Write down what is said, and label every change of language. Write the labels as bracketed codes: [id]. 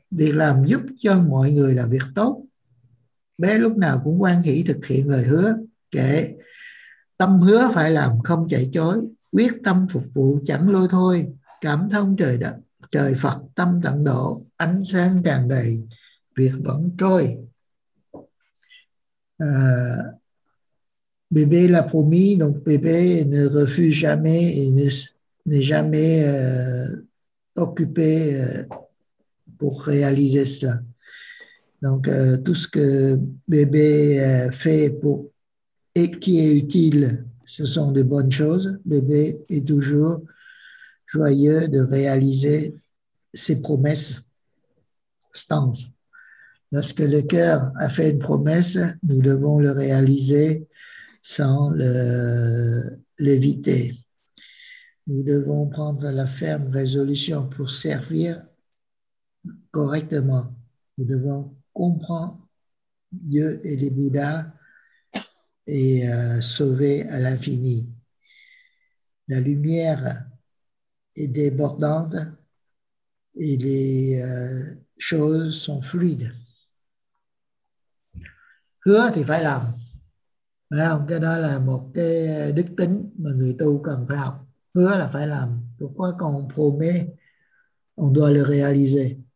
[vi] Việc làm giúp cho mọi người là việc tốt. Bé lúc nào cũng hoan hỷ thực hiện lời hứa, kể tâm hứa phải làm không chạy chối, quyết tâm phục vụ chẳng lôi thôi, cảm thông trời đất, trời Phật tâm tận độ, ánh sáng tràn đầy. Việc vẫn trôi. [fr] Bébé l'a promis, donc bébé ne refuse jamais et n'est jamais occupé pour réaliser cela. Donc tout ce que bébé fait pour et qui est utile, ce sont de bonnes choses. Bébé est toujours joyeux de réaliser ses promesses. Stance. Lorsque le cœur a fait une promesse, nous devons le réaliser sans l'éviter. Nous devons prendre la ferme résolution pour servir correctement. Nous devons comprendre Dieu et les Bouddhas et sauver à l'infini. La lumière est débordante et les choses sont fluides. [vi] Hứa thì phải làm, phải không? Cái đó là một cái đức tính mà người tu cần phải học. Hứa là phải làm. [fr] Pourquoi quand on promet, on doit le réaliser?